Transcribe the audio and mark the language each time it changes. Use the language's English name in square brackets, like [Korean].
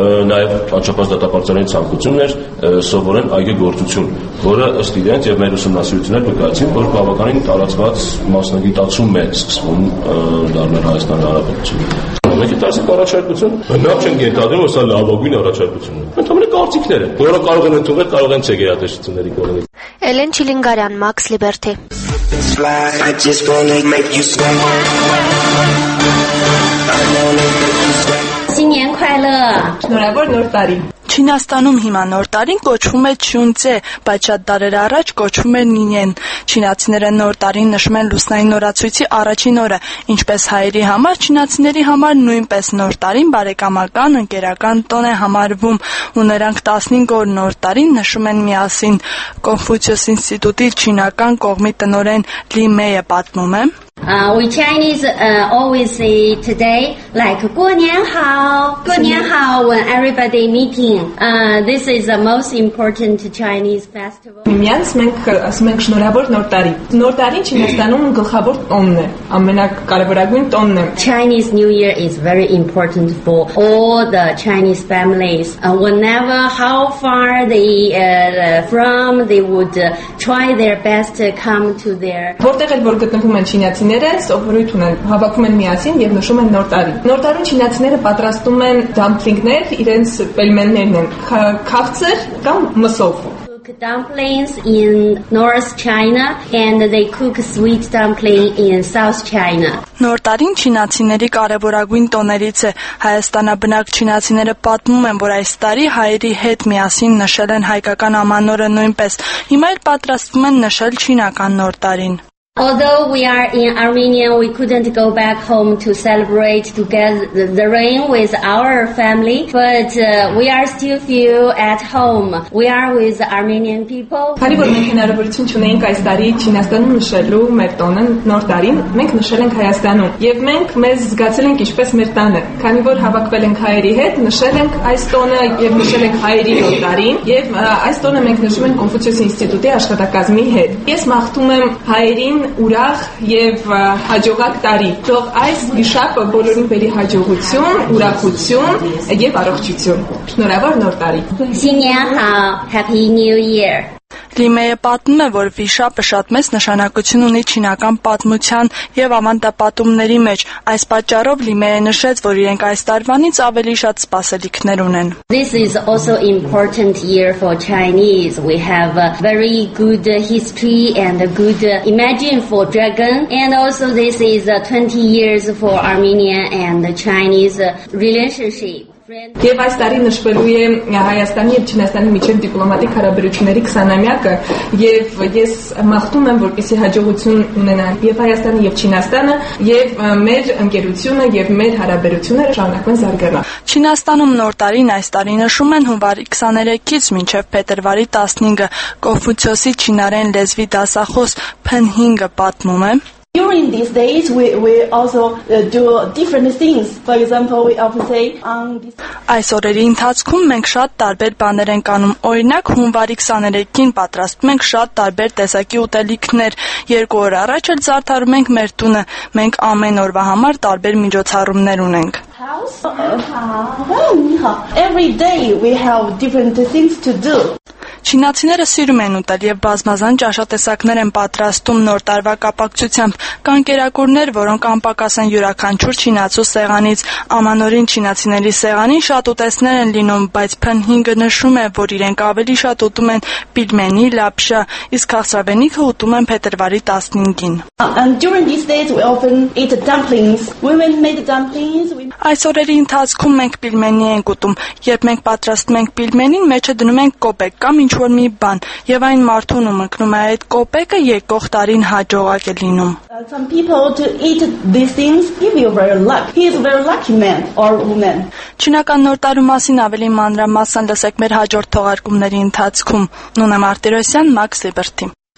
[Armenian] նաև անչափահաս դատապարտյալների ցանկություններ սովորեն այգեգործություն, որը ըստ իրենց եւ մեր ուսումնասիրությունների նկատի, որ բավականին տարածված մասնագիտացում է սկսվում դառնալ Հայաստանի Հանրապետությունը։ Մենք դա ասենք առաջարկություն։ Նա չեն ենթադրում, որ սա լավագույն առաջարկությունն է։ Ընդհանրապես կարծիքներ են, որը կարող են ընդունել, կարող են չգերատեսչությունների կողմից։ Էլեն Չիլինգարյան, Max Liberty. [English] Fly, I just wanna make you sway. I wanna make you sway. [Armenian] Չինաստանում հիմա նոր տարին կոչվում է Չյունցե, բայց շատ դարեր առաջ կոչվում էր Նինյեն։ Չինացիները նոր տարին նշում են լուսնային նորացույցի առաջին օրը, ինչպես հայերի համար, չինացիների համար նույնպես նոր տարին բարեկամական ընկերական տոն է համարվում, ու նրանք 15 օր նոր տարին նշում են միասին։ Կոնֆուցիոս ինստիտուտի չինական կողմի տնօրեն Լի Մեյը պատմում է. [English] We Chinese always say today like [Chinese] 过年好 [English] when everybody meeting. This is the most important Chinese festival. [Armenian] Միմյանց մենք ասում ենք շնորհավոր նոր տարի։ Նոր տարին Չինաստանում գլխավոր տոնն է, ամենակարևորագույն տոնն է։ [English] Chinese New Year is very important for all the Chinese families. Whenever how far they from they would try their best to come to their. [Armenian] Որտեղ էլ որ գտնվում են Չինաց Չինացիները սովորույթ ունեն, հավաքում են միասին և նշում են նոր տարի։ Նոր տարին չինացիները պատրաստում են դամպլինգներ, իրենց պելմեններն են, քաղցր կամ մսով։ [English] Dumplings in North China and they cook sweet dumpling in South China. [Armenian] Նոր տարին չինացիների կարևորագույն տոներից է։ Հայաստանաբնակ չինացիները պատմում են, որ այս տարի հայերի հետ միասին նշել են հայկական ամանորը նույնպես։ Հիմա էլ պատրաստվում են նշել չինական նոր տարին։ [English] Although we are in Armenia, we couldn't go back home to celebrate together the rain with our family, but we are still few at home. We are with Armenian people. [Armenian] Քանի որ մենք հնարավորություն չունենք այս տարի Չինաստանում նշելու մեր տոնը նոր տարին, մենք նշել ենք Հայաստանում, եւ մենք մեզ զգացել ենք ինչպես մեր տանը։ Քանի որ հավաքվել ենք հայերի հետ, նշել ենք այս տոնը եւ նշել ենք հայերի նոր տարին, եւ այս տոնը մենք նշում ենք Կոնֆուցիոս ինստիտուտի աշխատակազմի հետ։ Ես մաղթում եմ հայերի ուրախ եւ հաջողակ տարի։ Թող այս վիշապը բոլորին բերի հաջողություն, ուրախություն եւ առողջություն։ Շնորհավոր նոր տարի։ [Chinese] Սինյա, [English] Happy New Year։ [Armenian] Լիմեյը պատմում է, որ վիշապը շատ մեծ նշանակություն ունի չինական պատմության եւ ավանդապատումների մեջ։ Այս պատճառով Լիմեյը նշեց, որ իրենք այս տարվանից ավելի շատ սպասելիքներ ունեն։ [English] This is also important year for Chinese. We have a very good history and a good imagine for dragon, and also this is 20 years for Armenia and the Chinese relationship. [Armenian] Եվ այս տարի նշվելու է Հայաստանի եւ Չինաստանի միջև դիպլոմատիկ հարաբերությունների 20-ամյակը, եւ ես մաղթում եմ, որպեսզի հաջողություն ունենան եւ Հայաստանը եւ Չինաստանը, եւ մեր ընկերությունը եւ մեր հարաբերությունները շարունակեն զարգանալ։ Չինաստանում նոր տարին այս տարի նշում են հունվարի 23-ից մինչև փետրվարի 15-ը։ Կոնֆուցիոսի չինարեն լեզվի դասախոս Փեն Հինգը պատմում է. [English] During these days, we also do different things. For example, we often say [Armenian] Այս օրերի ընթացքում մենք շատ տարբեր բաներ ենք անում։ Օրինակ, հունվարի 23-ին պատրաստում ենք շատ տարբեր տեսակի ուտելիքներ։ Երկու օր առաջ էլ զարդարում ենք մեր տունը։ Մենք ամեն օրվա համար տարբեր միջոցառումներ ունենք։ [English] Every day we have different things to do. [Armenian] Չինացիները սիրում են ուտել եւ բազմազան ճաշատեսակներ են պատրաստում նոր տարվա կապակցությամբ։ Կան կերակուրներ, որոնք անպակաս են յուրաքանչյուր չինացու սեղանից։ Ամանորին չինացիների սեղանին շատ ուտեստներ են լինում, բայց Փեն Հինգը նշում է, որ իրենք ավելի շատ ուտում են պիլմենի, լապշա, իսկ քաղցրավենիքը ուտում են փետրվարի 15-ին։ Այս օրերի ընթացքում մենք պիլմենի ենք ուտում։ Երբ մենք պատրաստում ենք պիլմենին, մեջը դնում ենք կոպեկ կամ ինչ-որ մի բան, եւ այն մարդուն ու մկնում է այդ կոպեկը եկող տարին հաջողակ է լինում։ [English] Some people to eat these things give you very luck. He is a very lucky man or woman. [Armenian] Չինական նոր տարու մասին ավելի մանրամասն լսեք մեր հաջորդ թողարկումների ընթացքում։ Նունե Մարտիրոսյան, Max Liberty.